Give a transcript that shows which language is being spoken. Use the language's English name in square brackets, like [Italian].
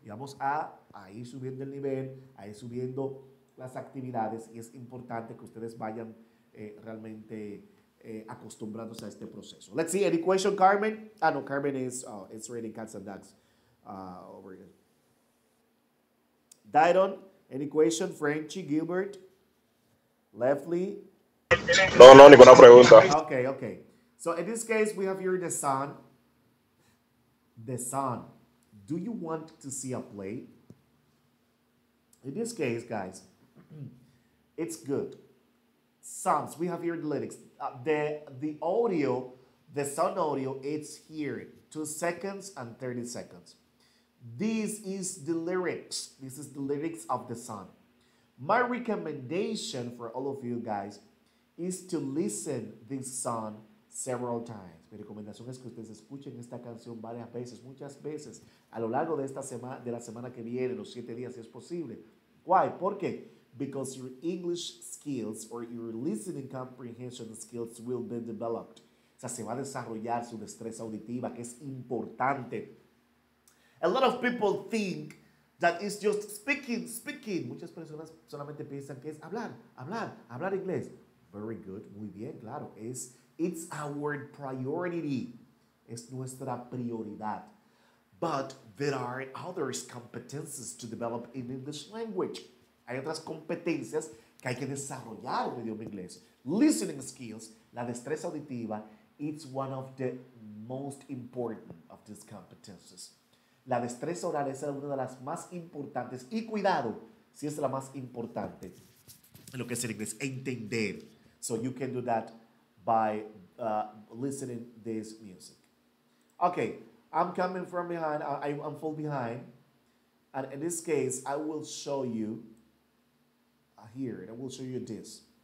[Spanish] Y vamos a ir subiendo el nivel, a ir subiendo las actividades. Y es importante que ustedes vayan realmente acostumbrándose a este proceso. [English] Let's see. Any question, Carmen? Ah, no. Carmen is it's raining cats and dogs over here. Dairon, any question? Frenchie, Gilbert? Lefley? [Spanish] No, no, ninguna pregunta. [English] Okay, okay. So in this case, we have here the sun. The sun. Do you want to see a play? In this case, guys, it's good. Sounds. We have here the lyrics. The audio, the sound audio, it's here. 2 seconds and 30 seconds. This is the lyrics. This is the lyrics of the sun. My recommendation for all of you guys is to listen this song several times. [Spanish] Mi recomendación es que ustedes escuchen esta canción varias veces, muchas veces, a lo largo de esta semana, de la semana que viene, los 7 días, si es posible. [English] Why? [Spanish] ¿Por qué? [English] Because your English skills or your listening comprehension skills will be developed. [Spanish] O sea, se va a desarrollar su destreza auditiva, que es importante. [English] A lot of people think that it's just speaking, speaking. [Spanish] Muchas personas solamente piensan que es hablar, hablar, hablar inglés. [English] Very good, [Spanish] muy bien, claro. [English] It's our priority. [Spanish] Es nuestra prioridad. [English] But there are other competences to develop in English language. [Spanish] Hay otras competencias que hay que desarrollar en el idioma inglés. [English] Listening skills, [Spanish] la destreza auditiva, [English] it's one of the most important of these competences. [Spanish] La destreza oral es una de las más importantes. Y cuidado, si es la más importante, lo que es el inglés, entender. [English] So you can do that by listening this music. Okay, I'm coming from behind. I'm full behind. And in this case, I will show you here. I will show you this.